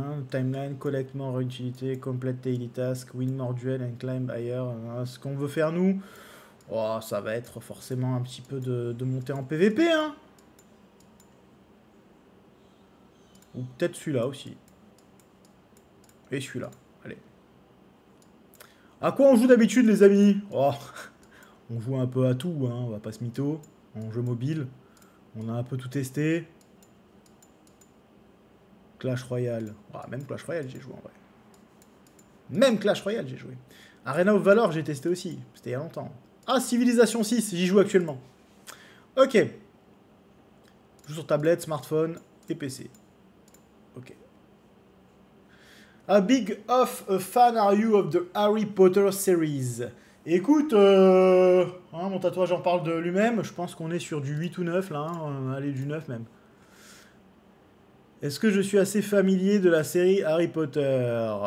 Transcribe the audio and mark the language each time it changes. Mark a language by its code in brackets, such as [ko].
[en] Timeline, collect more utility, complete daily task, win more duel and climb higher. [fr] Ce qu'on veut faire, nous. Oh, ça va être forcément un petit peu de monter en PVP, hein. Ou peut-être celui-là aussi. Et celui-là, allez. À quoi on joue d'habitude, les amis? Oh, on joue un peu à tout, hein, on va pas se mytho. En jeu mobile, on a un peu tout testé. Clash Royale. Oh, même Clash Royale, j'ai joué, en vrai. Même Clash Royale, j'ai joué. Arena of Valor, j'ai testé aussi. C'était il y a longtemps. Ah, Civilization 6, j'y joue actuellement. Ok. Je joue sur tablette, smartphone et PC. Ok. [en] A big of a fan are you of the Harry Potter series? [fr] Écoute, mon tatouage en parle de lui-même. Je pense qu'on est sur du 8 ou 9, là. Allez, du 9 même. Est-ce que je suis assez familier de la série Harry Potter?